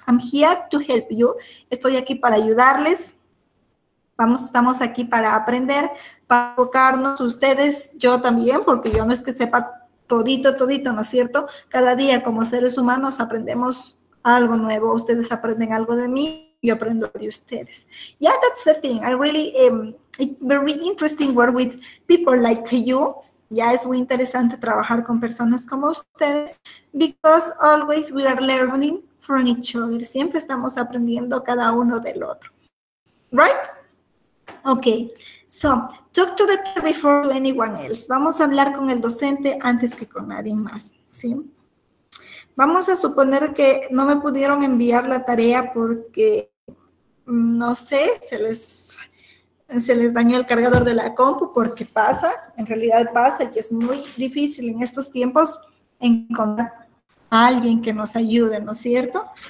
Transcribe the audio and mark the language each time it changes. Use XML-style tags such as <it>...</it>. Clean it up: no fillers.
<en>I'm here to help you.</en> <es>Estoy aquí para ayudarles. Estamos aquí para aprender, para enfocarnos ustedes, yo también, porque yo no es que sepa todito, ¿no es cierto? Cada día como seres humanos aprendemos algo nuevo, ustedes aprenden algo de mí, yo aprendo de ustedes.</es> <en>Yeah, that's the thing, I really, it's very interesting work with people like you,</en> <es>ya es muy interesante trabajar con personas como ustedes,</es> <en>because always we are learning from each other.</en> <es>Siempre estamos aprendiendo cada uno del otro. Right? Okay.</es> <en>So, talk to the teacher before anyone else.</en> <es>Vamos a hablar con el docente antes que con nadie más, ¿sí? Vamos a suponer que no me pudieron enviar la tarea porque, no sé, se les dañó el cargador de la compu, porque pasa, en realidad pasa, y es muy difícil en estos tiempos encontrar a alguien que nos ayude, ¿no es cierto?</es>